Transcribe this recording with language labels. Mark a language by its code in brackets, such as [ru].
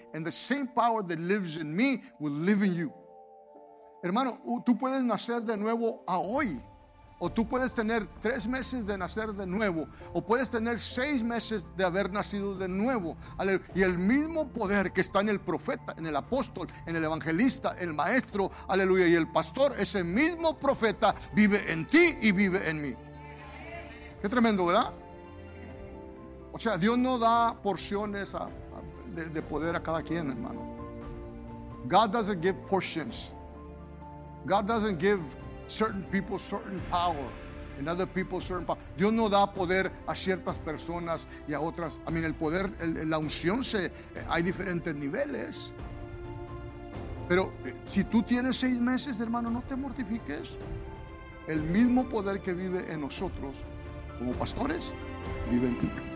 [en] And the same power that lives in me will live in you. [es] Hermano, tú puedes nacer de nuevo a hoy. O tú puedes tener 3 meses de nacer de nuevo. O puedes tener 6 meses de haber nacido de nuevo. Y el mismo poder que está en el profeta, en el apóstol, en el evangelista, el maestro, aleluya, y el pastor, ese mismo profeta vive en ti y vive en mí. Qué tremendo, ¿verdad? O sea, Dios no da porciones de poder a cada quien, hermano. [en] God doesn't give portions. God doesn't give certain people certain power and other people certain power. [es] Dios no da poder a ciertas personas y a otras. I mean, el poder, la unción, hay diferentes niveles. Pero si tú tienes 6 meses, hermano, no te mortifiques. El mismo poder que vive en nosotros como pastores vive en ti.